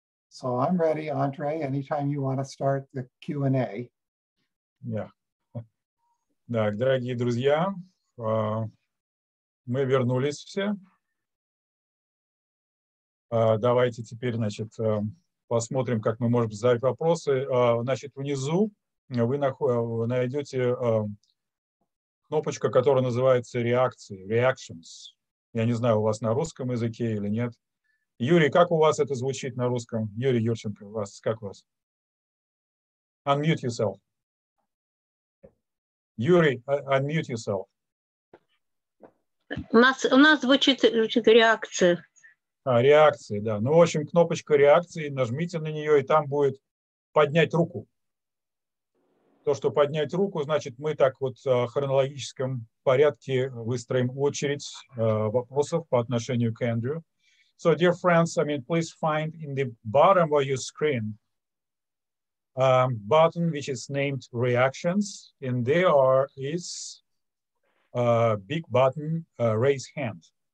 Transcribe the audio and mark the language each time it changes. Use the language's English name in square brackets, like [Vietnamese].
[English] So I'm ready, Andre, anytime you want to start the Q&A. Yeah. [Russian] Так, дорогие друзья, мы вернулись все. Давайте теперь, значит, посмотрим, как мы можем задать вопросы. Значит, внизу вы найдете кнопочку, которая называется «Реакции», «Reactions». Я не знаю, у вас на русском языке или нет. Юрий, как у вас это звучит на русском? Юрий Юрченко, у вас, как у вас? [English] Unmute yourself. Юрий, unmute yourself. [Russian] У нас звучит реакция. А, реакция, да. Ну, в общем, кнопочка реакции, нажмите на нее, и там будет поднять руку. То, что поднять руку, значит, мы так вот в хронологическом порядке выстроим очередь вопросов по отношению к Эндрю. [English] So, dear friends, I mean, please find in the bottom of your screen a button which is named reactions, and there is a big button, raise hand.